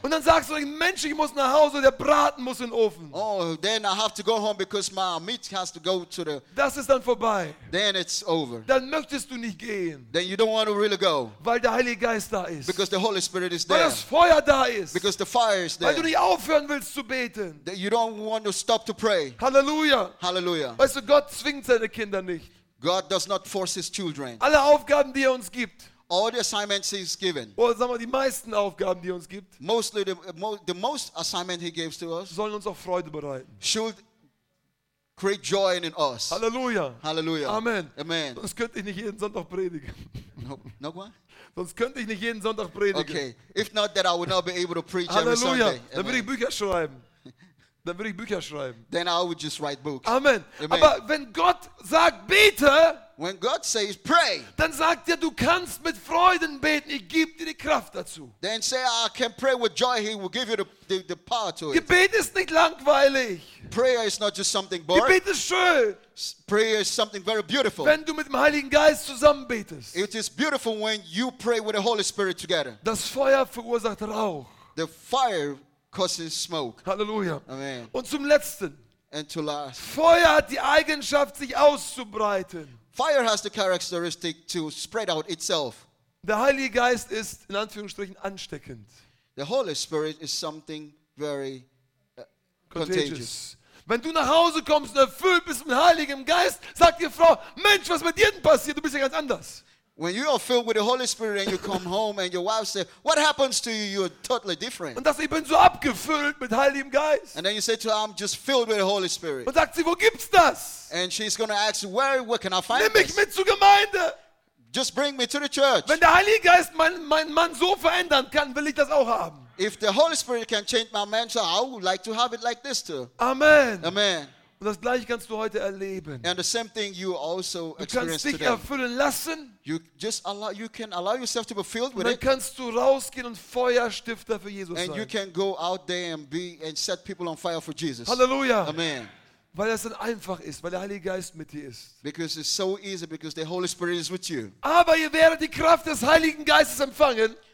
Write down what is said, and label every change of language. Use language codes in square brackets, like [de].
[de] Und dann sagst du, Mensch, ich muss nach Hause, der Braten muss in den Ofen. [en] Oh, then I have to go home because my meat has to go to the... [de] Das ist dann vorbei. [en] Then it's over. [de] Dann möchtest du nicht gehen. [en] Then you don't want to really go. [de] Weil der Heilige Geist da ist. [en] Because the Holy Spirit is [de] weil [en] there. [de] Weil das Feuer da ist. [en] Because the fire is there. [de] Weil du nicht aufhören willst zu beten. [en] That you don't want to stop to pray. [de] Halleluja. [en] Halleluja. [de] Weißt du, Gott zwingt seine Kinder nicht. [en] God does not force his children. [de] Alle Aufgaben, die er uns gibt. [en] All the assignments he's given. [de] Oder sagen wir, die meisten Aufgaben, die er uns gibt. [en] Mostly the most assignment he gives to us. [de] Sollen uns auch Freude bereiten. [en] Should create joy in us. [de] Halleluja. [en] Halleluja. [de] Amen. [en] Amen. [de] Sonst könnte ich nicht jeden Sonntag predigen. [en] No one? [de] Sonst könnte ich nicht jeden Sonntag predigen. [en] Okay. If not, that I would not be able to preach [de] Halleluja. [en] Every Sunday. Halleluja. [de] Dann würde ich Bücher schreiben. Dann würde ich Bücher schreiben. [en] Then I would just write books. Amen. Amen. [de] Aber wenn Gott sagt, bete, [en] when God says pray, [de] dann sagt er, du kannst mit Freuden beten. Ich gebe dir die Kraft dazu. [en] Then say I can pray with joy. He will give you the power to it. [de] Gebet ist nicht langweilig. [en] Prayer is not just something boring. [de] Gebet ist schön. [en] Prayer is something very beautiful. [de] Wenn du mit dem Heiligen Geist zusammen betest, [en] it is beautiful when you pray with the Holy Spirit together. [de] Das Feuer verursacht Rauch. [en] The fire causes smoke. [de] Halleluja. [en] Amen. [de] Und zum letzten. [en] And to last. [de] Feuer hat die Eigenschaft, sich auszubreiten. [en] Fire has the characteristic to spread out itself. [de] Der Heilige Geist ist in Anführungsstrichen ansteckend. [en] The Holy Spirit is something very contagious. [de] Wenn du nach Hause kommst und erfüllt bist mit Heiligem Geist, sagt die Frau: Mensch, was mit dir denn passiert? Du bist ja ganz anders. [en] When you are filled with the Holy Spirit and you come home and your wife says, what happens to you? You're totally different. [de] Und das, ich bin so abgefüllt mit Heiligem Geist. [en] And then you say to her, I'm just filled with the Holy Spirit. [de] Und sagt sie, wo gibt's das? [en] And she's going to ask, where can I find [de] nimm mich [en] this? [de] Mit zur Gemeinde. [en] Just bring me to the church. [de] Wenn der Heilige Geist mein Mann so verändern kann, will ich das auch haben. [en] If the Holy Spirit can change my man, so I would like to have it like this too. [de] Amen. [en] Amen. [de] Und das Gleiche kannst du heute erleben. [en] And the same thing you also [de] du kannst dich [en] today. [de] Erfüllen lassen. [en] You just allow, you can allow yourself to be filled with [de] dann [en] it. [de] Kannst du rausgehen und Feuerstifter für Jesus [en] and [de] sein. [en] And you can go out there and be and set people on fire for Jesus. [de] Halleluja. [en] Amen. [de] Weil es dann einfach ist, weil der Heilige Geist mit dir ist. [en] Because it's so easy because the Holy Spirit is with you. [de] Aber ihr werdet die Kraft des Heiligen Geistes empfangen.